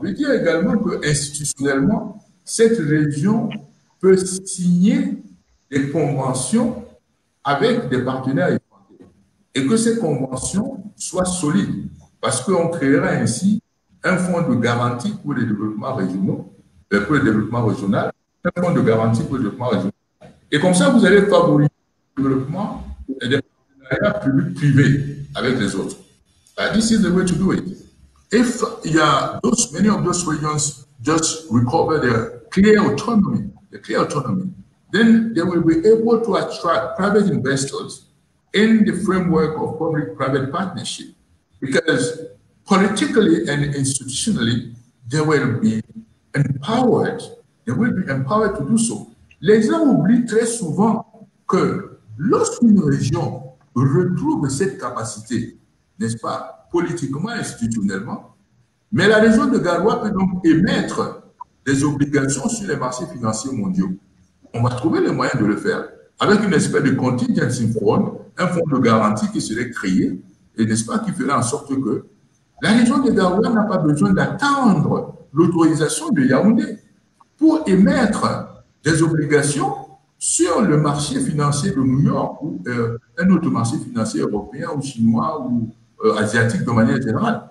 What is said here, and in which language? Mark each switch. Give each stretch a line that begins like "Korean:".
French: Veut dire également que institutionnellement, cette région peut signer des conventions avec des partenaires étrangers et que ces conventions soient solides parce qu'on créera ainsi un fonds de garantie pour les développements régionaux, pour le développement régional, un fonds de garantie pour le développement régional. Et comme ça, vous allez favoriser le développement et des partenariats privés avec les autres.
English: This is the way to do it. If many of those regions just recover their clear autonomy, then they will be able to attract private investors in the framework of public-private partnership. Because politically and institutionally, they will be empowered to do so.
French: Les gens oublient très souvent que lorsqu'une région retrouve cette capacité, n'est-ce pas, politiquement, institutionnellement, mais la région de Garoua peut donc émettre des obligations sur les marchés financiers mondiaux. On va trouver les moyens de le faire avec une espèce de contingency fund, un fonds de garantie qui serait créé, et n'est-ce pas, qui ferait en sorte que la région de Garoua n'a pas besoin d'attendre l'autorisation de Yaoundé pour émettre des obligations sur le marché financier de New York ou un autre marché financier européen ou chinois ou asiatique de manière générale.